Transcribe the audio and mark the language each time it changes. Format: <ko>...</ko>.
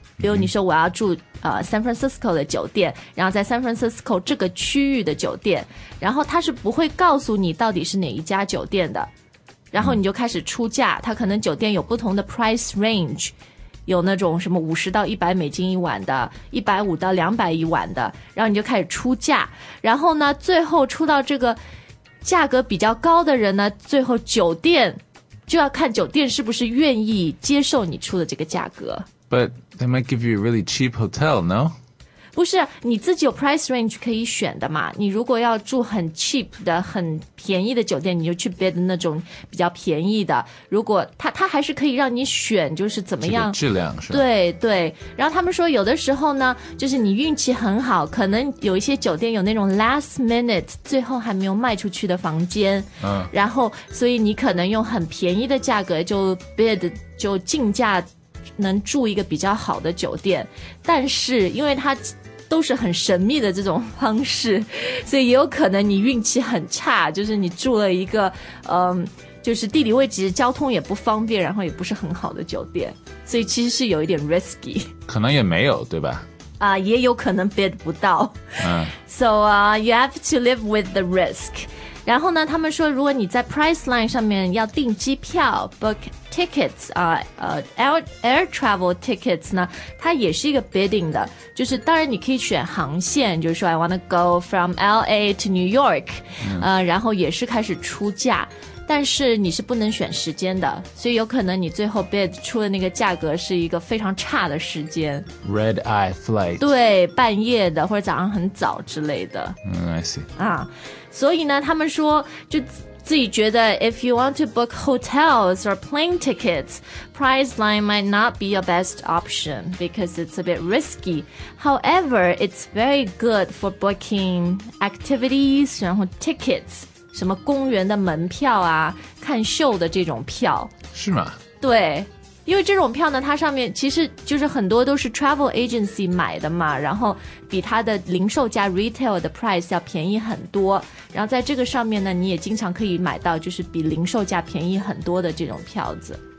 <zh>比如你说我要住San Francisco 的酒店，然后在 San Francisco 这个区域的酒店，然后他是不会告诉你到底是哪一家酒店的，然后你就开始出价，他可能酒店有不同的 price range, 有那种什么50到100美金一晚的，150到200一晚的，然后你就开始出价，然后呢最后出到这个价格比较高的人呢，最后酒店就要看酒店是不是愿意接受你出的这个价格。</zh> <en>But they might give you a really cheap hotel, no?</en> <zh>不是，你自己有 price range 可以选的嘛。你如果要住很 cheap 的、很便宜的酒店，你就去 bid 那种比较便宜的。如果他还是可以让你选，就是怎么样、这个、质量是吧？对对。然后他们说，有的时候呢，就是你运气很好，可能有一些酒店有那种 last minute 最后还没有卖出去的房间。嗯。然后，所以你可能用很便宜的价格就 bid 就竞价。能住一个比较好的酒店，但是因为它都是很神秘的这种方式，所以也有可能你运气很差，就是你住了一个就是地理位置交通也不方便，然后也不是很好的酒店，所以其实是有一点 risky, 可能也没有，对吧？啊、也有可能 bid 不到。</zh> <en>So you have to live with the risk.</en> <zh>然后呢他们说如果你在 Priceline 上面要订机票 book tickets、air travel tickets 呢它也是一个 bidding 的，就是当然你可以选航线，就是说</zh> <en>I want to go from LA to New York、</en> <zh>然后也是开始出价，但是你是不能选时间的，所以有可能你最后 bid 出的那个价格是一个非常差的时间</zh> <en>Red Eye Flight</en> <zh>对半夜的或者早上很早之类的、</zh> <en>I see、</en> <zh>所以呢他们说就自己觉得</zh> <en>If you want to book hotels or plane tickets Priceline might not be your best option because it's a bit risky. However, it's very good for booking activities</en> <zh>然后 tickets什么公园的门票啊看秀的这种票是吗对因为这种票呢它上面其实就是很多都是 travel agency 买的嘛然后比它的零售价 retail 的 price 要便宜很多然后在这个上面呢你也经常可以买到就是比零售价便宜很多的这种票子</zh>